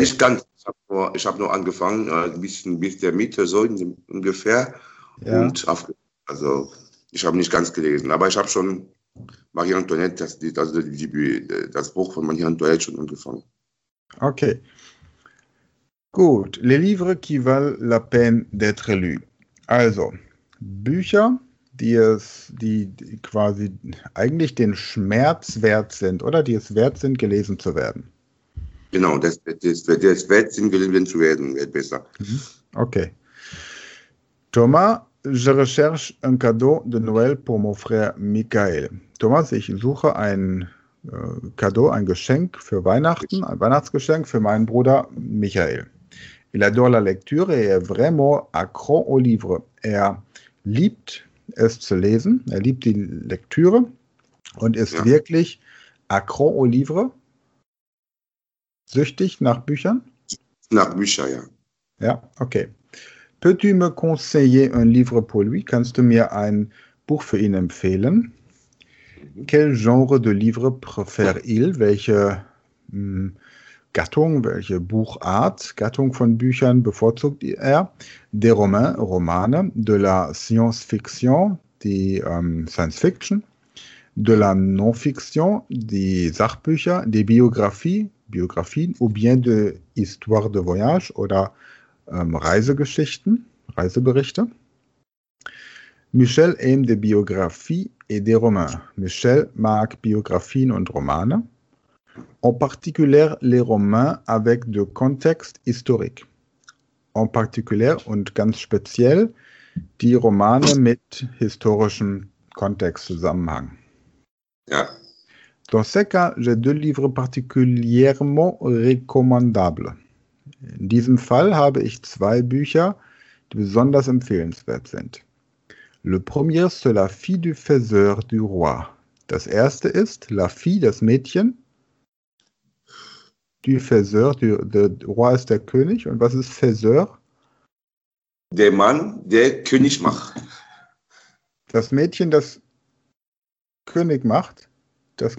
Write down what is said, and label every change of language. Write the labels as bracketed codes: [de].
[de] nicht ganz. Ich habe nur angefangen, ein bisschen bis der Mitte, so ungefähr. Ja. Also, ich habe nicht ganz gelesen, aber ich habe schon Marie-Antoinette, das Buch von Marie-Antoinette schon angefangen. Okay. Gut. [fr] Les livres qui valent la peine d'être lus. [de] Also. Bücher, die quasi eigentlich den Schmerz wert sind oder die es wert sind, gelesen zu werden. Genau, das wird sinnvoll zu werden, wird besser. Okay. [fr] Thomas, je recherche un cadeau de Noël pour mon frère Michael. [de] Thomas, ich suche ein Cadeau, ein Geschenk für Weihnachten, ein Weihnachtsgeschenk für meinen Bruder Michael. [fr] Il adore la lecture et est vraiment accro au livre. [de] Er liebt es zu lesen, er liebt die Lektüre und ist Ja. wirklich [fr] accro au livre, [de] süchtig nach Büchern. Nach Bücher, ja. Ja, okay. [fr] Peux-tu me conseiller un livre pour lui? [de] Kannst du mir ein Buch für ihn empfehlen? [fr] Quel genre de livre préfère-il? [de] Welche Gattung, welche Buchart, Gattung von Büchern bevorzugt er? [fr] Des romans, [de] Romane, [fr] de la Science-Fiction, [de] die Science-Fiction, [fr] de la Non-Fiction, [de] die Sachbücher, die Biografien, [fr] ou bien de Histoire de Voyage [de] oder Reisegeschichten, Reiseberichte. [fr] Michel aime des Biographies et des Romans. [de] Michel mag Biografien und Romane. [fr] En particulier les romans avec du contexte historique. En particulier [de] und ganz speziell die Romane mit historischem Kontextzusammenhang. Ja. [fr] Dans ce cas, j'ai deux livres particulièrement recommandables. [de] In diesem Fall habe ich zwei Bücher, die besonders empfehlenswert sind. [fr] Le premier, c'est La fille du faiseur du roi. [de] Das erste ist [fr] La fille, [de] das Mädchen. [fr] Du Faiseur, [de] der Roi ist der König. Und was ist Faiseur? Der Mann, der König macht. Das Mädchen, das König macht, das